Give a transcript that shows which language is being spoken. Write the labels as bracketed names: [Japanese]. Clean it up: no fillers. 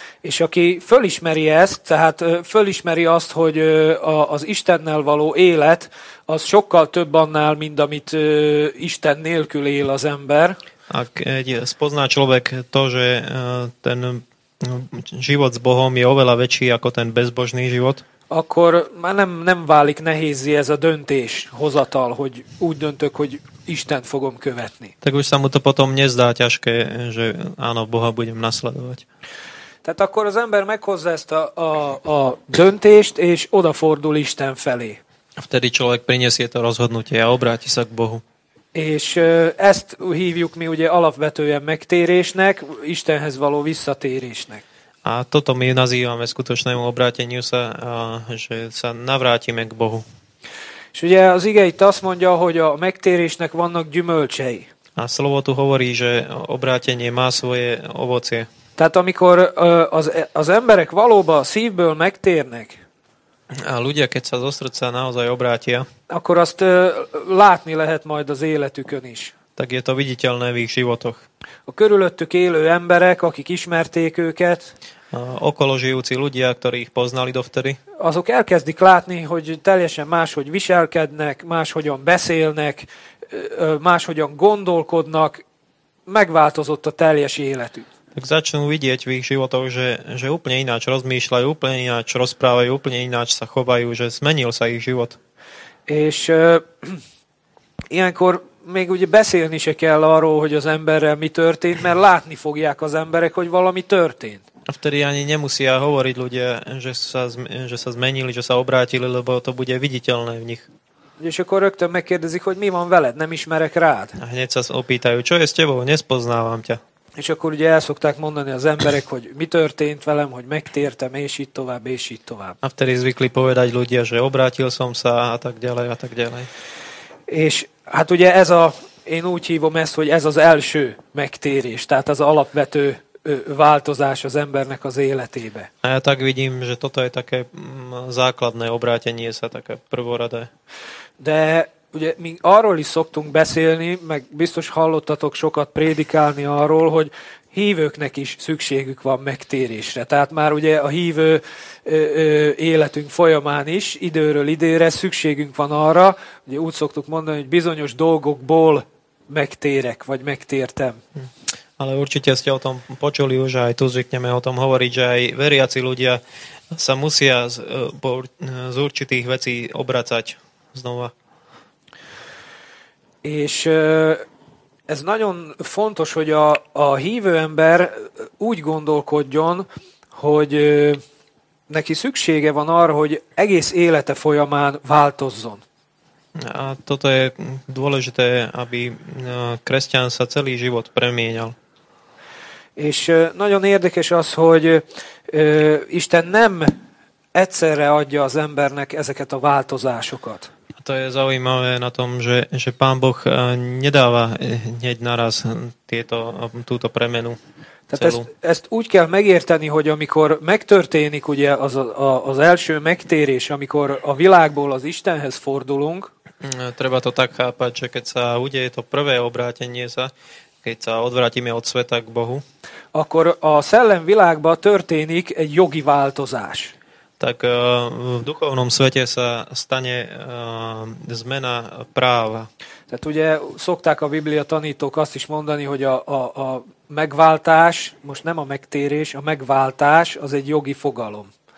[Hungarian] És aki fölismeri ezt, tehát fölismeri azt, hogy az Istennel való élet, az sokkal több annál, mint amit Isten nélkül él az ember. [Slovak] Ak egy spozná človek to, že ten život s Bohom je oveľa väčší ako ten bezbožný život, [Hungarian] akkor már nem válik nehézzi ez a döntés hozatal, hogy úgy döntök, hogy Istent fogom követni. [Slovak] Tak už sa mu to potom nezdá ťažké, že áno, Boha budem nasledovať. [Hungarian] Tehát akkor az ember meghozza ezt a döntést, és odafordul Isten felé. [Slovak] Vtedy človek priniesie to rozhodnutie a obráti sa k Bohu. [Hungarian] És ezt hívjuk mi ugye alapvetően megtérésnek, Istenhez való visszatérésnek. [Slovak] A toto my nazývame skutočnému obráteniu sa, že sa navrátime k Bohu. [Hungarian] És ugye az ige itt azt mondja, hogy a megtérésnek vannak gyümölcsei. [Slovak] A slovo tu hovorí, že obrátenie má svoje ovocie. [Hungarian] Tehát amikor az emberek valóban szívből megtérnek, [Slovak] a ľudia, keď sa zo srdca naozaj obrátia, [Hungarian] akkor azt látni lehet majd az életükön is. [Slovak] Tak je to viditeľné v ich životoch. [Hungarian] A körülöttük élő emberek, akik ismerték őket, [Slovak] a okolo žijúci ľudia, ktorí ich poznali dovtedy, [Hungarian] azok elkezdik látni, hogy teljesen máshogy viselkednek, máshogyan beszélnek, máshogyan gondolkodnak, megváltozott a teljes életük. [Slovak] Tak začnú vidieť v ich životoch, že úplne ináč rozmýšľajú, úplne ináč rozprávajú, úplne ináč sa chovajú, že zmenil sa ich život. [Hungarian] És ilyenkor még ugye beszélni se kell arról, hogy az emberrel mi történt, mert látni fogják az emberek, hogy valami történt. [Slovak] A vtedy ani nemusia hovoriť ľudia, že sa zmenili, že sa obrátili, lebo to bude viditeľné v nich. [Hungarian] És akkor rögtön megkérdezik, hogy mi van veled, nem ismerek rád. [Slovak] A hneď sa opýtajú, čo je s tebou, nespoznávam ťa. [Hungarian] És akkor ugye el szokták mondani az emberek, hogy mi történt velem, hogy megtértem, és így tovább, és így tovább. [Slovak] A vtedy zvykli povedať ľudia, že obrátil som sa, a tak ďalej, a tak ďalej. [Hungarian] És hát ugye ez a, én úgy hívom ezt, hogy ez az első megtérés, tehát az alapvető változás az embernek az életébe. [Slovak] A ja tak vidím, že toto je také základné obrátenie sa, také prvoradé. [Hungarian] De ugye mi arról is szoktunk beszélni, meg biztos hallottatok sokat prédikálni arról, hogy hívőknek is szükségük van megtérésre. Tehát már ugye a hívő életünk folyamán is időről időre szükségünk van arra, ugye úgy szoktuk mondani, hogy bizonyos dolgokból megtérek, vagy megtértem. [Slovak] Ale určite ste o tom počuli už, aj tu zvykneme o tom hovoriť, že aj veriaci ľudia sa musia z určitých vecí obracať znova. [Hungarian] És ez nagyon fontos, hogy a hívő ember úgy gondolkodjon, hogy neki szüksége van arra, hogy egész élete folyamán változzon. [Slovak] A toto je dôležité, aby kresťan sa celý život premieňal. [Hungarian] És nagyon érdekes az, hogy Isten nem egyszerre adja az embernek ezeket a változásokat. [Slovak] To je zaujímavé na tom, že Pán Boh nedáva hneď naraz túto premenu celú. [Hungarian] Tehát ezt úgy kell megérteni, hogy amikor megtörténik ugye az első megtérés, amikor a világból az Istenhez fordulunk. [Slovak] Treba to tak chápať, že keď sa udeje to prvé obrátenie sa, keď sa odvrátime od sveta k Bohu, [Hungarian] akkor a szellem világba történik egy jogi változás. [Slovak] Tak v duchovnom svete sa stane zmena práva. [Hungarian] Tehát ugye szokták a Biblia tanítók azt is mondani, hogy a megváltás, most nem a megtérés, a megváltás az egy jogi fogalom.